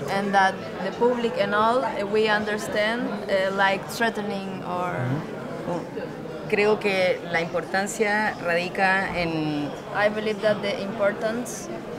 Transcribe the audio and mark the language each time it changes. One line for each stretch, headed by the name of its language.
English: And that the public and all we understand like threatening or
Spanish: creo que la importancia radica en
English: I believe that the importance